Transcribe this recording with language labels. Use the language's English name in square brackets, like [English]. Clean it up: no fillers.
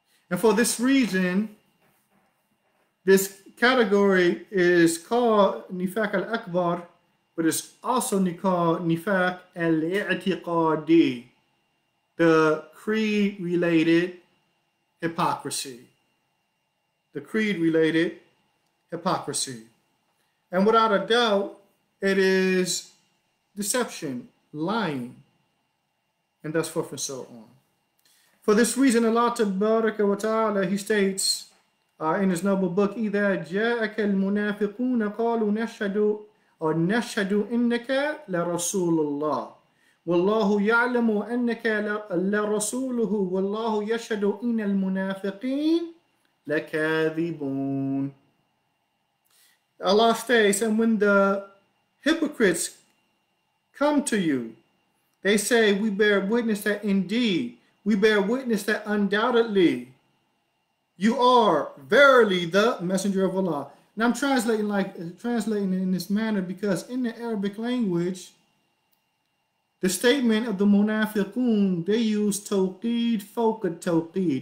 [English] And for this reason, this category is called nifaq al-akbar, but it's also called nifaq al-i'tiqadi, the creed-related hypocrisy. The creed-related hypocrisy. And without a doubt, It is deception, lying, and thus forth and so on. For this reason, Allah Tabaraka wa Ta'ala, he states in his noble book, [Arabic] إِذَا جَاءَكَ الْمُنَافِقُونَ قَالُوا نَشْهَدُ أَوْ نَشْهَدُ إِنَّكَ لَرَسُولُ اللَّهِ وَاللَّهُ يَعْلَمُ أَنَّكَ لَرَسُولُهُ وَاللَّهُ يَشْهَدُ إِنَّ الْمُنَافِقِينَ لَكَاذِبُونَ. [English] Allah states, and when the hypocrites come to you, they say, we bear witness that indeed, we bear witness that undoubtedly you are verily the messenger of Allah. And I'm translating in this manner because in the Arabic language, the statement of the munafiqun, they use tawqid fawqa tawqid.